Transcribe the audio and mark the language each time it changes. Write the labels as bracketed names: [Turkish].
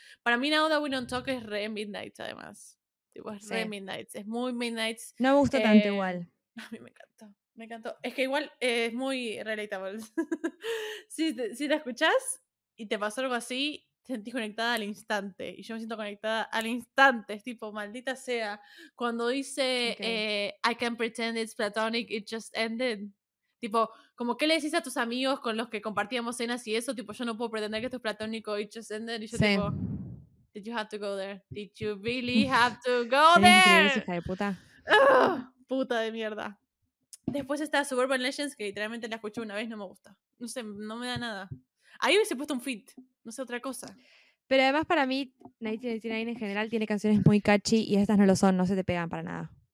[Spanish] Para mí Now That We Don't Talk es re Midnight, además. Tipo, es re, sí, Midnight. Es muy Midnight. No me gusta tanto igual. A mí me encanta. Me encantó. Es que igual es muy relatable. si la escuchás y te pasó algo así, te sentís conectada al instante. Y yo me siento conectada al instante. Es tipo, maldita sea. Cuando dice, [English] okay, I can pretend it's platonic, it just ended. [Spanish] Tipo, como, ¿qué le decís a tus amigos con los que compartíamos cenas y eso? Tipo, yo no puedo pretender que esto es platónico, [English] it just ended. [Spanish] Y yo, sí, tipo, [English] did you have to go there? Did you really have to go there? [Spanish] Es increíble, hija de puta. Puta de mierda. Después está Suburban Legends, que literalmente la escuché una vez, no me gusta. No sé, no me da nada. Ahí hubiese puesto un feat, no sé, otra cosa. Pero además para mí, 1989 en general tiene canciones muy catchy y estas no lo son, no se te pegan para nada.